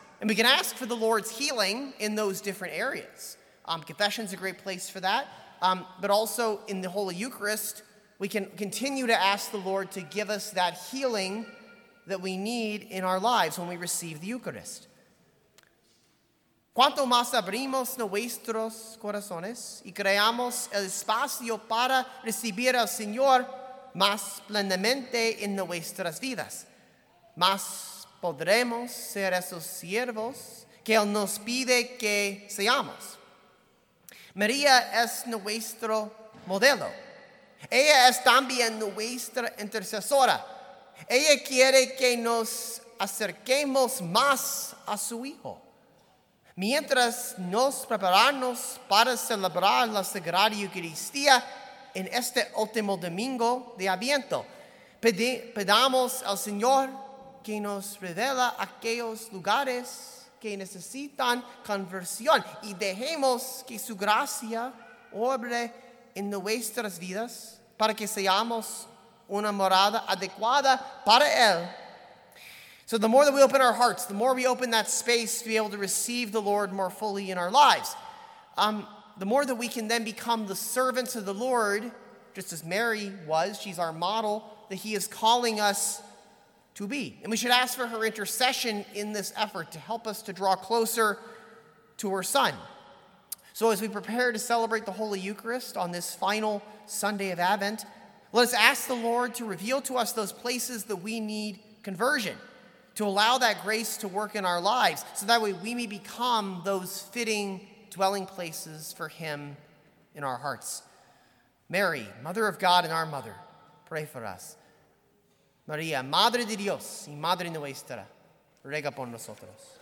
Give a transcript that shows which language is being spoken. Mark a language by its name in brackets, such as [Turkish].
[English] And we can ask for the Lord's healing in those different areas. Confession is a great place for that. But also in the Holy Eucharist, we can continue to ask the Lord to give us that healing that we need in our lives when we receive the Eucharist. [Spanish] Cuanto más abrimos nuestros corazones y creamos el espacio para recibir al Señor más plenamente en nuestras vidas, más podremos ser esos siervos que Él nos pide que seamos. María es nuestro modelo. Ella es también nuestra intercesora. Ella quiere que nos acerquemos más a su Hijo. Mientras nos preparamos para celebrar la Sagrada Eucaristía en este último domingo de Adviento, pedamos al Señor que nos revela aquellos lugares que necesitan conversión y dejemos que su gracia obre en nuestras vidas para que seamos una morada adecuada para Él. [English] So the more that we open our hearts, the more we open that space to be able to receive the Lord more fully in our lives, the more that we can then become the servants of the Lord, just as Mary was, she's our model, that he is calling us to be. And we should ask for her intercession in this effort to help us to draw closer to her son. So as we prepare to celebrate the Holy Eucharist on this final Sunday of Advent, let us ask the Lord to reveal to us those places that we need conversion, to allow that grace to work in our lives, so that way we may become those fitting dwelling places for him in our hearts. Mary, Mother of God and our Mother, pray for us. [Spanish] Maria, Madre de Dios y Madre nuestra, ruega por nosotros.